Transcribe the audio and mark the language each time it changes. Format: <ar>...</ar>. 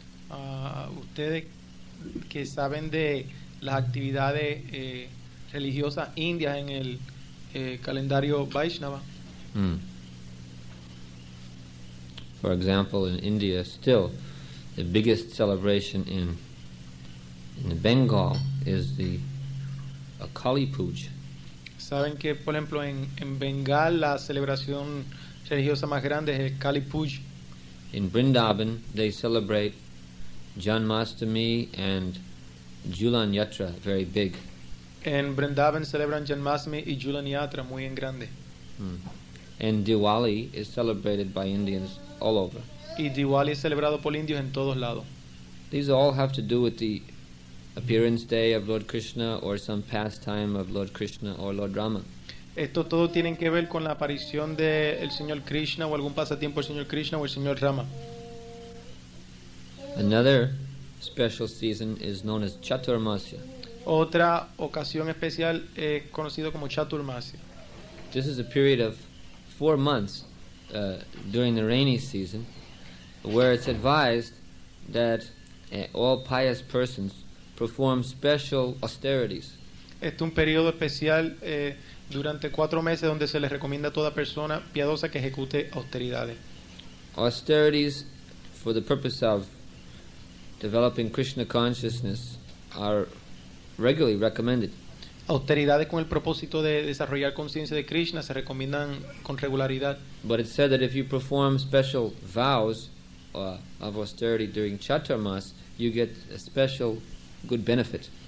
<es>Ustedes que saben de las actividades religiosas indias en el calendario Vaishnava.</es> <en>For example, in India still the biggest celebration in Bengal is the Kali Puja.</en> <es>Saben que por ejemplo en Bengal la celebración religiosa más grande es el Kali Puja.</es> <en>In Vrindavan they celebrate Janmashtami and Julan Yatra very big.</en> <es>En Vrindavan celebran Janmashtami y Julan Yatra muy en grande.</es> <en>And Diwali is celebrated by Indians all over.</en> <es>Y Diwali es celebrado por indios en todos lados.</es> <en>These all have to do with the appearance day of Lord Krishna or some pastime of Lord Krishna or Lord Rama.</en> <es>Esto todo tiene que ver con la aparición de el señor Krishna o algún pasatiempo del señor Krishna o el señor Rama.</es> <en>Another special season is known as Chaturmasya.</en> <es>Otra ocasión especial es conocido como Chaturmasya.</es> <en>This is a period of 4 months during the rainy season where it's advised that all pious persons perform special austerities.</en> <es>Este es un periodo especial durante 4 meses donde se les recomienda a toda persona piadosa que ejecute austeridades.</es> <en>Austerities for the purpose of developing Krishna consciousness are regularly recommended.</en> <es>Austeridades con el propósito de desarrollar conciencia de Krishna se recomiendan con regularidad.</es> <en>But it's said that if you perform special vows of austerity during Chaturmas, you get a special good benefit.</en>